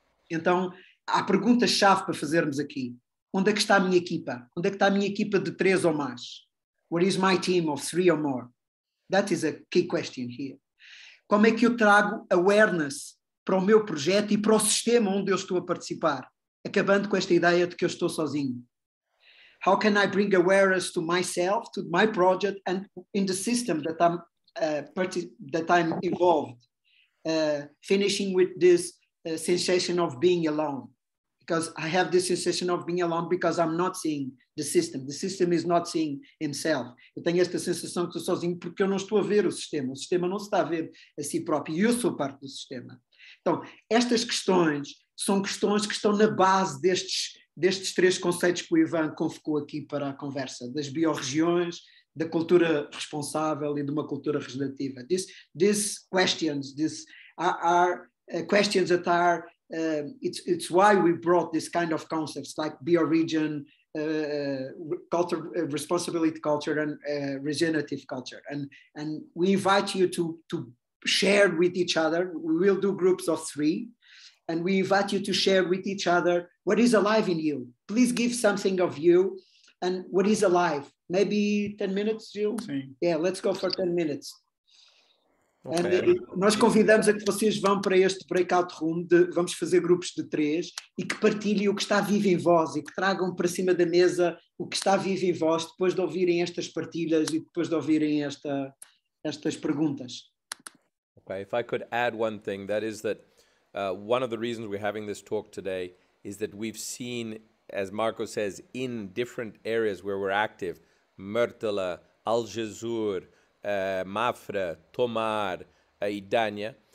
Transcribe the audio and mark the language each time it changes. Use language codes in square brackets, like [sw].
[pt] Então, há pergunta-chave para fazermos aqui. Onde é que está a minha equipa? Onde é que está a minha equipa de 3 ou mais? [en] What is my team of 3 or more? That is a key question here. [pt] Como é que eu trago awareness para o meu projeto e para o sistema onde eu estou a participar? Acabando com esta ideia de que eu estou sozinho. [en] How can I bring awareness to myself, to my project, and in the system that I'm that I'm involved, finishing with this sensation of being alone, because I have this sensation of being alone because I'm not seeing the system. The system is not seeing himself. [pt] Eu tenho esta sensação que estou sozinho porque eu não estou a ver o sistema. O sistema não está a ver a si próprio e eu sou parte do sistema. Então, estas questões são questões que estão na base destes 3 conceitos que o Ivan convocou aqui para a conversa, das biorregiões, da cultura responsável e de uma cultura regenerativa. [en] These questions, these are questions that are, it's why we brought this kind of concepts like bioregion, culture, responsibility culture and regenerative culture. And we invite you to share with each other. We will do groups of 3 and we invite you to share with each other what is alive in you. Please give something of you and what is alive. Maybe 10 minutes, Gil? [pt] Sim. [en] Yeah, let's go for 10 minutes. Okay. [pt] And nós convidamos a que vocês vão para este breakout room, vamos fazer grupos de 3, e que partilhem o que está vivo em vós, e que tragam para cima da mesa o que está vivo em vós, depois de ouvirem estas partilhas e depois de ouvirem estas perguntas. [en] Okay, if I could add one thing, that is that one of the reasons we're having this talk today is that we've seen, as Marco says, in different areas where we're active, Mertola, Algezur, Mafra, Tomar, Idanha,